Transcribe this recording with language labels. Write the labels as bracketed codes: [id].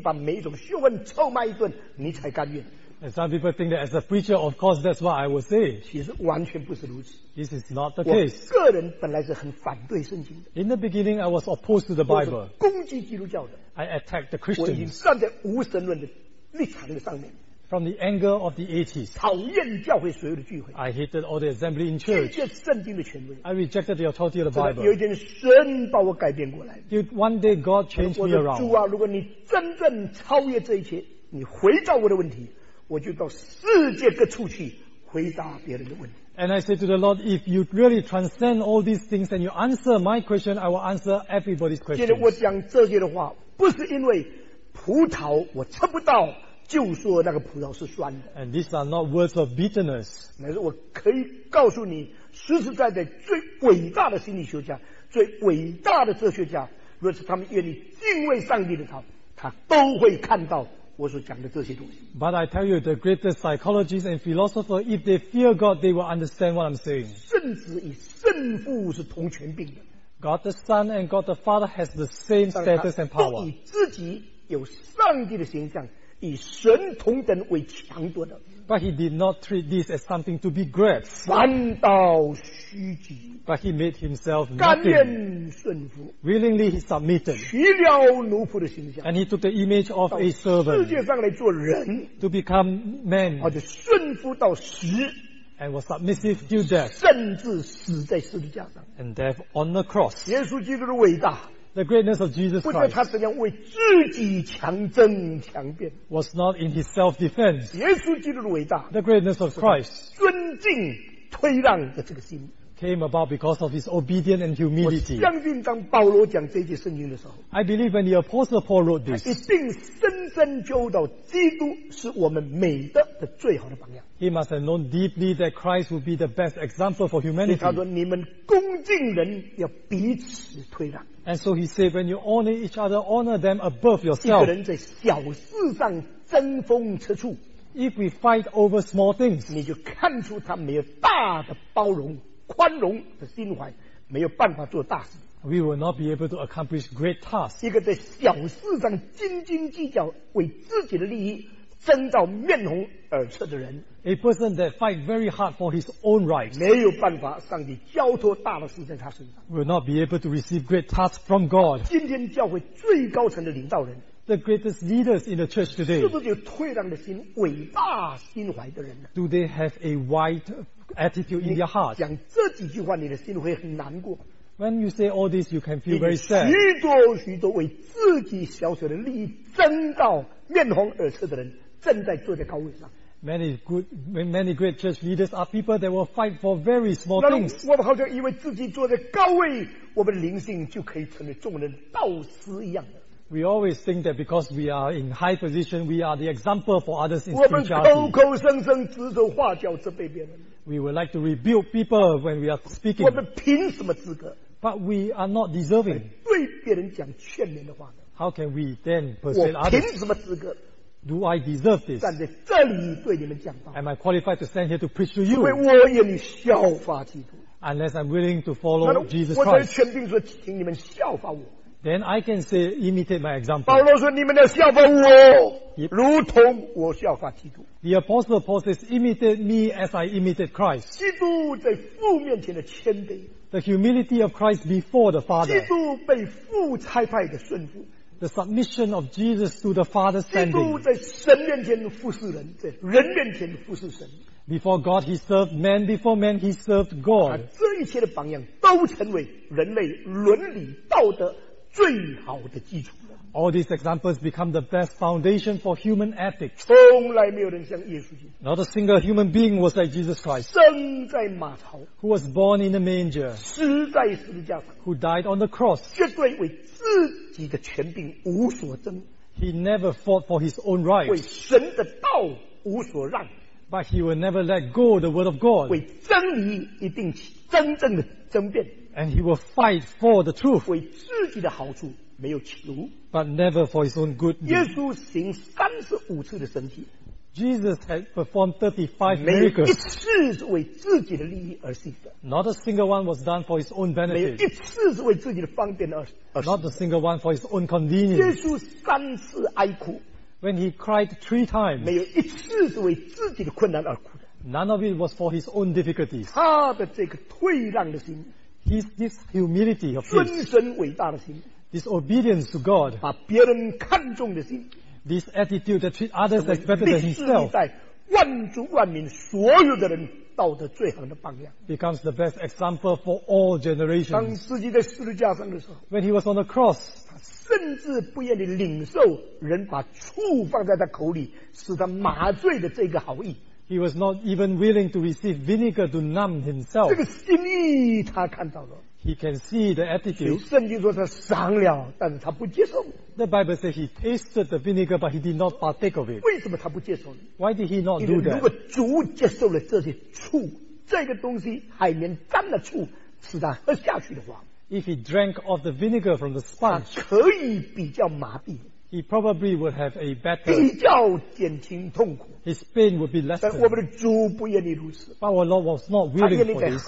[zh] 三句不离本行，总是靠你三寸不烂之舌讲神学的重要性、圣经的重要性，一定把每一种学问臭骂一顿，你才甘愿。 [en] And some people think that as a preacher, of course, that's what I would say. [zh] 其实完全不是如此。 [en] This is not the case. [zh] 我个人本来是很反对圣经的。 [en] In the beginning, I was opposed to the Bible. [zh] 我是攻击基督教的。 [en] I attacked the Christians. [zh] 我已经站在无神论的立场上面。 [en] From the anger of the 80s, [zh] 讨厌教会所有的聚会, [en] I hated all the assembly in church. [zh] 拒绝圣经的权威, [en] I rejected the authority of the Bible. [zh] 有一天神把我改变过来, [en] one day God changed me around. [zh] 主啊, 如果你真正超越这一切, 你回答我的问题, 我就到世界各处去回答别人的问题。 [en] And I said to the Lord, if you really transcend all these things and you answer my question, I will answer everybody's question. [zh] 现在我讲这些的话, 不是因为葡萄我吃不到, 就说那个葡萄是酸的。 [en] And these are not words of bitterness. [zh] 乃是我可以告诉你，实实在在最伟大的心理学家，最伟大的哲学家，若是他们愿意敬畏上帝的他，他都会看到我所讲的这些东西。 [en] But I tell you, the greatest psychologists and philosophers, if they fear God, they will understand what I'm saying. [zh] 圣子与圣父是同权柄的。 [en] God the Son and God the Father has the same status and power. [zh] 都以自己有上帝的形象，以神同等为强夺的。 [en] But he did not treat this as something to be great. [zh] 反倒虚己。 [en] But he made himself nothing. [zh] 甘愿顺服。 [en] Willingly he submitted. [zh] 取了奴仆的形象。 [en] And he took the image of a servant. [zh] 到世界上来做人。 [en] To become man. [zh] 而且顺服到死。 [en] And was submissive to death. [zh] 甚至死在十字架上。 [en] And death on the cross. [zh] 耶稣基督的伟大。 [en] The greatness of Jesus Christ [zh] 不是他怎样为自己强争强辩 [en] was not in his self-defense. [zh] 耶稣基督的伟大 [en] the greatness of Christ [zh] 尊敬推让的这个心 [en] came about because of his obedience and humility. [zh] 我相信当保罗讲这句圣经的时候 [en] I believe when the apostle Paul wrote this, [zh] 他一定深深揪到基督是我们美德的最好的榜样 [en] He must have known deeply that Christ would be the best example for humanity. [zh] 所以他说你们恭敬人要彼此推让 [en] And so he said, when you honor each other, honor them above yourself. [zh] 一个人在小事上争锋吃醋 [en] If we fight over small things, [zh] 你就看出他没有大的包容、宽容的心怀，没有办法做大事。 [en] We will not be able to accomplish great tasks. [zh] 一个在小事上斤斤计较、为自己的利益争到面红耳赤的人 [en] ，A person that fight very hard for his own rights， [zh] 没有办法，上帝交托大的事在他身上 [en] ，will not be able to receive great tasks from God。 [zh] 今天教会最高层的领导人 [en] ，the greatest leaders in the church today， [zh] 是不是有退让的心、伟大心怀的人呢 [en] ？Do they have a wide attitude in their heart？ [zh] 讲这几句话，你的心会很难过。 [en] When you say all this, you can feel very sad. [zh] 许多许多为自己小小的利益争到面红耳赤的人。正在坐在高位上。 [en] Many great church leaders are people that will fight for very small things. [zh] 我们好像以为自己坐在高位，我们的灵性就可以成为众人导师一样的。 [en] We always think that because we are in high position, we are the example for others in spirituality. [zh] 我们口口声声指手画脚责备别人。 [en] We would like to rebuke people when we are speaking. [zh] 我们凭什么资格 [en] ？But we are not deserving. [zh] 对别人讲劝勉的话呢 [en] ？How can we then persuade others? [zh] 我凭什么资格？ [en] Do I deserve this? [zh] 站在这里对你们讲道。 [en] Am I qualified to stand here to preach to you? [zh] 因为我愿意效法基督。 [en] Unless I'm willing to follow Jesus Christ. [zh] 我才全凭说，请你们效法我。 [en] Then I can say imitate my example. [zh] 保罗说，你们要效法我， yep. 如同我效法基督。 [en] The apostle Paul says, imitate me as I imitate Christ. [zh] 基督在父面前的谦卑。 [en] The humility of Christ before the Father. [zh] 基督被父差派的顺服。 [en] The submission of Jesus to the Father's standing. [zh] 基督在神面前服侍人，在人面前服侍神。 [en] Before God, he served man. Before man, he served God. [zh] 这一切的榜样都成为人类伦理道德最好的基础。 [en] All these examples become the best foundation for human ethics. [zh] 从来没有人像耶稣基督。 [en] Not a single human being was like Jesus Christ. [zh] 生在马槽。 [en] Who was born in a manger. [zh] 死在十字架上。 [en] Who died on the cross. [zh] 绝对为自己的权柄无所争。 [en] He never fought for his own rights. [zh] 为神的道无所让。 [en] But he will never let go the word of God. [zh] 为真理一定真正的争辩。 [en] And he will fight for the truth. [zh] 为自己的好处。没有求 [en] but never for his own good. [zh] 耶稣行三十五次的神迹 [en] Jesus had performed 35 miracles. [zh] 没一次是为自己的利益而行的 [en] Not a single one was done for his own benefit. [zh] 没有一次是为自己的方便而行的 [en] Not a single one for his own convenience. [zh] 耶稣三次哀哭 [en] When he cried 3 times. [zh] 没有一次是为自己的困难而哭的 [en] None of it was for his own difficulties. [zh] 他的这个退让的心 [en] this humility of his [zh] 尊神伟大的心 [en] Disobedience to God. [zh] 把别人看重的心 [en] This attitude that treats others as better than himself. [zh] 历史历代万族万民所有的人道德最好的榜样 [en] Becomes the best example for all generations. [zh] 当自己在十字架上的时候 [en] When he was on the cross. [zh] 他甚至不愿意领受人把醋放在他口里使他麻醉的这个好意 [en] He was not even willing to receive vinegar to numb himself. [zh] 这个心意他看到了 [en] He can see the attitude. [zh] 圣经说他尝了，但是他不接受。 [en] The Bible says he tasted the vinegar, but he did not partake of it. [zh] 为什么他不接受呢 [en] ？Why did he not do that? [zh] 如果主接受了这些醋，这个东西海绵沾了醋，使他喝下去的话 [en] if he drank of the vinegar from the sponge, [zh] 可以比较麻痹, [en] he probably would have a better [zh] 比较减轻痛苦, [en] his pain would be less. But our Lord was not willing for this.